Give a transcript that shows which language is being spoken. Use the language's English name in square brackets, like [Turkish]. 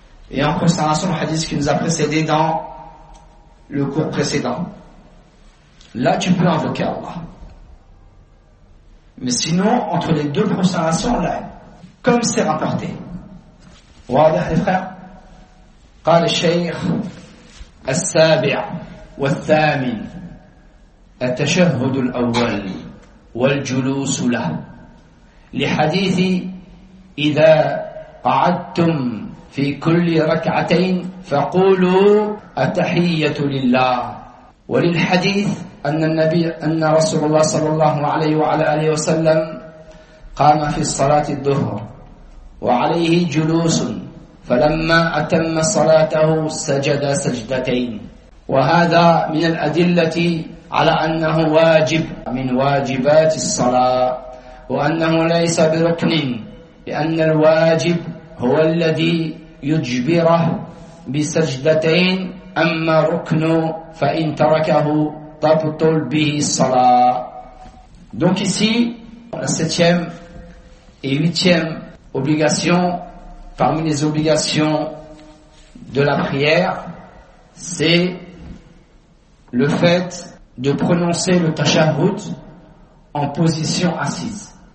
[French] Et en prosternation, le hadith qui nous a précédé dans le cours précédent. Là, tu peux invoquer Allah. Mais sinon, entre les deux prosternations, là, comme c'est rapporté. Waouh, les frères. [Arabic] قال الشيخ السابع والثامن التشهد الأول والجلوس له لحديث إذا قعدتم في كل ركعتين فقولوا التحية لله وللحديث أن النبي أن رسول الله صلى الله عليه وعلى آله وسلم قام في الصلاة الظهر وعليه جلوس فلما أتم صلاته سجد سجدتين وهذا من الأدلة على أنه واجب من واجبات الصلاة وأنه ليس بركن لأن الواجب هو الذي يجبره بسجدتين أما ركن فإن تركه تبطل به الصلاة. [French] Donc ici la 7e et 8e obligation parmi les obligations de la prière, c'est le fait de prononcer le tashahhud en position assise.